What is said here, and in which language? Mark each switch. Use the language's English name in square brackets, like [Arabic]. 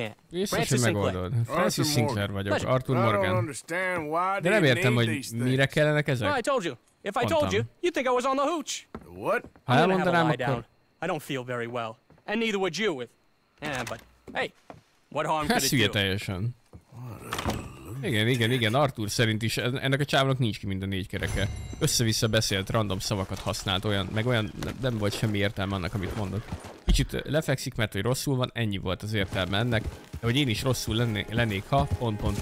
[Hungarian] Biztos, hogy megoldod. Francis Sinclair vagyok, Arthur Morgan. De nem értem, hogy mire kellenek ezek. [English] If I told you, you'd think I was on the hooch. What? I don't have a lie down. I don't feel very well. And neither would you with... Eh, but... Hey, what harm could it do? [Hungarian] Ez hülye teljesen. Igen, igen, igen, Arthur szerint is ennek a csávnak nincs ki mind a négy kereke. Össze-vissza beszélt, random szavakat használt, olyan, meg olyan, nem volt semmi értelme annak, amit mondott. Kicsit lefekszik, mert hogy rosszul van, ennyi volt az értelme ennek. De hogy én is rosszul lennék, ha pont.